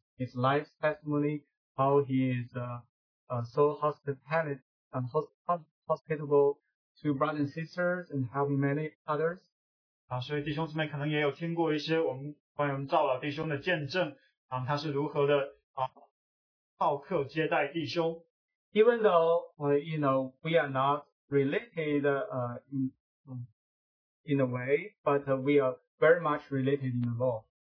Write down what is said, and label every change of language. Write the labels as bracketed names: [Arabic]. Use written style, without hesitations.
[English] His life's testimony, how he is so hospitable to brothers and sisters and helping many others. [Chinese] 所以弟兄姊妹可能也有听过一些我们关于赵老弟兄的见证，他是如何的好客接待弟兄。 [English] Even though you know we are not related in a way, but we are very much related in the law.